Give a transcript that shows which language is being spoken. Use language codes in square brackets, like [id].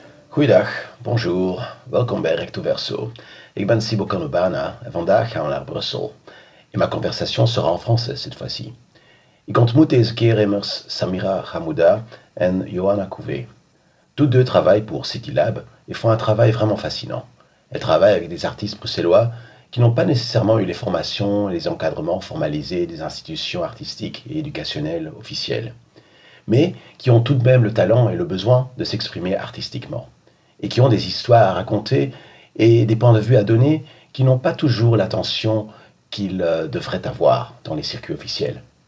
[nl] Goeiedag, bonjour, welkom bij Recto Verso. Ik ben Sibo Kanubana en vandaag gaan we naar Brussel. [fr] En ma conversation sera en français cette fois-ci. [nl] Ik ontmoet deze keer immers Samira Hamouda en Johanna Couvé. [fr] Toutes deux travaillent pour CityLab et font un travail vraiment fascinant. Elles travaillent avec des artistes bruxellois qui n'ont pas nécessairement eu les formations et les encadrements formalisés des institutions artistiques et éducationnelles officielles, mais qui ont tout de même le talent et le besoin de s'exprimer artistiquement, et qui ont des histoires à raconter et des points de vue à donner qui n'ont pas toujours l'attention qu'ils devraient avoir dans les circuits officiels.